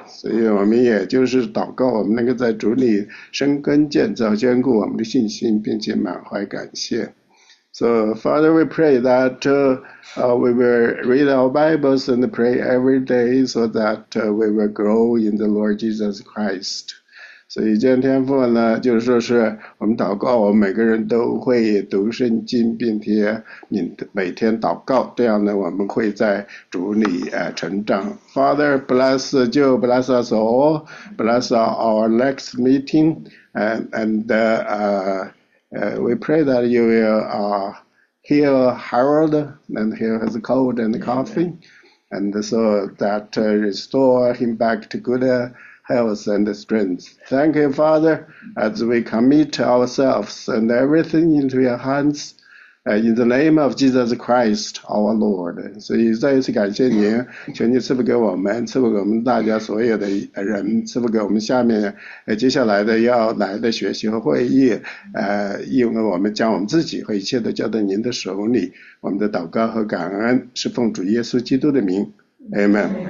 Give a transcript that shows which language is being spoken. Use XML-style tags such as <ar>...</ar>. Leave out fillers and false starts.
<zh>所以我们也就是祷告，我们能够在主里生根建造，坚固我们的信心，并且满怀感谢。</zh> <en>So Father, we pray that we will read our Bibles and pray every day so that we will grow in the Lord Jesus Christ.</en> <zh>所以今天父呢，就是说是我们祷告，我们每个人都会读圣经，并且你每天祷告，这样呢，我们会在主里成长。</zh> <en>Father, bless you, bless us all, bless our next meeting, we pray that you will heal Harold and heal his cold and coughing, and so that restore him back to good health and strength. Thank you, Father, as we commit ourselves and everything into your hands, in the name of Jesus Christ, our Lord.</en> <zh>所以再一次感谢您，求您赐福给我们，赐福给我们大家所有的人，赐福给我们下面接下来的要来的学习和会议，因为我们将我们自己和一切都交在您的手里，我们的祷告和感恩是奉主耶稣基督的名， Amen.</zh>